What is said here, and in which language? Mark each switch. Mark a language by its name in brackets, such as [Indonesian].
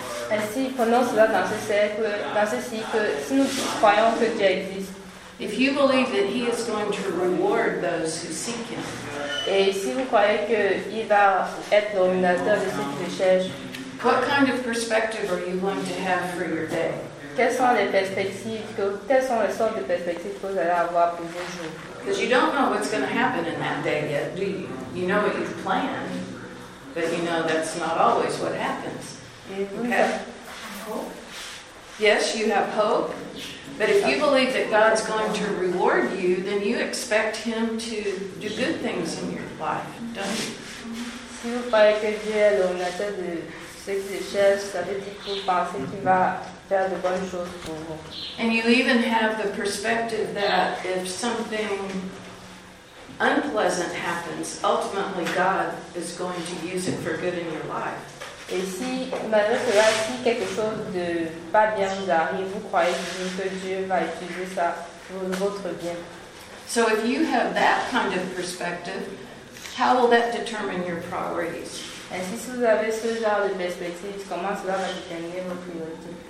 [French] et si prenons cela dans ce cycle, si nous croyons que Dieu existe, [English] if you believe that He is going to reward those who seek Him, [French] et si vous croyez que Il va être le rémunérateur de ceux qui le cherchent, [English] what kind of perspective are you going to have for your day? [French] Quelles sont les sortes de perspectives que vous allez avoir pour vos jours? [English] Because you don't know what's going to happen in that day yet, do you? You know what you've planned, but you know that's not always what happens. Okay. Yes, you have hope. But if you believe that God's going to reward you, then you expect Him to do good things in your life, don't you? [French] Si vous croyez que Dieu est le rémunérateur de ceux qui le cherchent, ça veut dire que vous pensez qu'il va faire de bonnes choses pour vous. [English] And you even have the perspective that if something unpleasant happens, ultimately God is going to use it for good in your life. [French] Et si malgré cela, si quelque chose de pas bien vous arrive, vous croyez que Dieu va utiliser ça pour votre bien. [English] So if you have that kind of perspective, how will that determine your priorities? [French] Et si vous avez ce genre de perspective, comment cela va déterminer vos priorités?